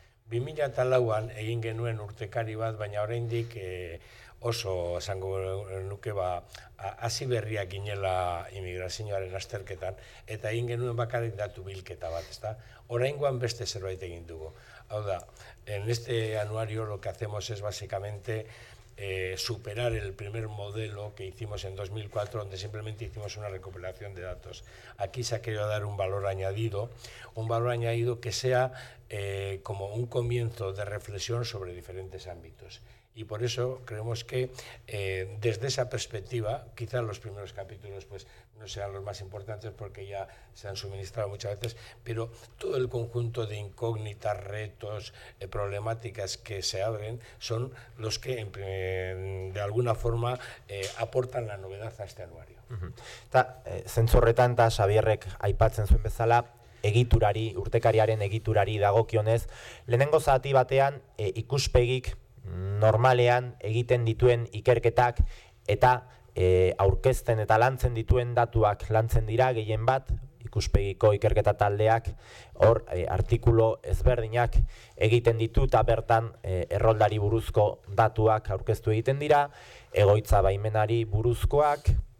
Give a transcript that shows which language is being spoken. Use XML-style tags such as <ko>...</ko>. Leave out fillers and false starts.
<eu>2004an egin genuen urtekari bat, baina oraindik oso esango nuke hasi berria ginela imigrazioaren azterketan, eta egin genuen bakarrik datu bilketa bat, ezta? Oraingoan beste zerbait egin dugu. Hau da,</eu> <es>en este anuario lo que hacemos es básicamente superar el primer modelo que hicimos en 2004, donde simplemente hicimos una recopilación de datos. Aquí se ha querido dar un valor añadido que sea como un comienzo de reflexión sobre diferentes ámbitos. Y por eso creemos que desde esa perspectiva, quizá los primeros capítulos pues no sean los más importantes porque ya se han suministrado muchas veces, pero todo el conjunto de incógnitas, retos, problemáticas que se abren son los que de alguna forma aportan la novedad a este anuario.</es> <eu>Eta zentzu horretan, Xabierrek aipatzen zuen bezala, egiturari, urtekariaren egiturari dagokionez, lehenengo zati batean ikuspegik normalean egiten dituen ikerketak eta aurkezten eta lantzen dituen datuak lantzen dira gehien bat, ikuspegiko ikerketa taldeak hor artikulu ezberdinak egiten ditu eta bertan erroldari buruzko datuak aurkeztu egiten dira, egoitza baimenari buruzkoak,</eu>